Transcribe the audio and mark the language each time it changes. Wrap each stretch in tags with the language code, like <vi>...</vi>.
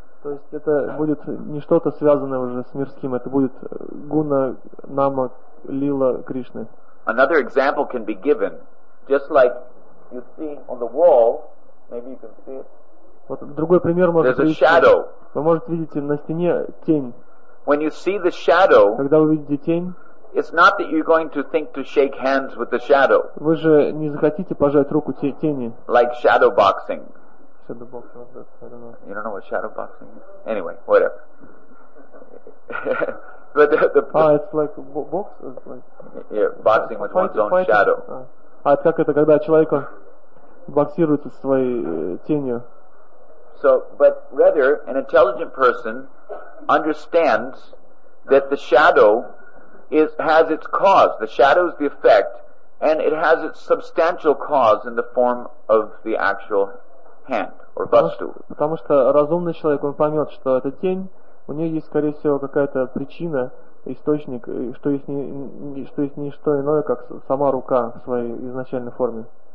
<ru>То есть это будет не что-то связанное уже с мирским, это будет гуна, нама, лила, Кришны.</ru> <en>Another example can be given, just like you see on the wall, maybe you can see it.</en> <ru>Вот другой пример можно видеть.</ru> <en>There's a shadow.</en> <ru>Вы можете видеть на стене тень.</ru> <en>When you see the shadow,</en> <ru>когда вы видите тень,</ru> <en>it's not that you're going to think to shake hands with the shadow.</en> <ru>Вы же не захотите пожать руку тени.</ru> <en>Like shadow boxing. shadow boxing is that? I don't know. You don't know what shadow boxing is? Anyway, whatever. But it's like boxing. Like, yeah, boxing with one's own shadow.</en> <ru>А это как это, когда человек боксирует со своей тенью?</ru> <en>So, but rather, an intelligent person understands that the shadow is has its cause. The shadow is the effect, and it has its substantial cause in the form of the actual hand or vastu.</en> <ru>Потому что разумный человек он поймет, что эта тень у нее есть, скорее всего, какая-то причина. Источник, что есть не что иное, как сама рука в своей изначальной форме.</ru>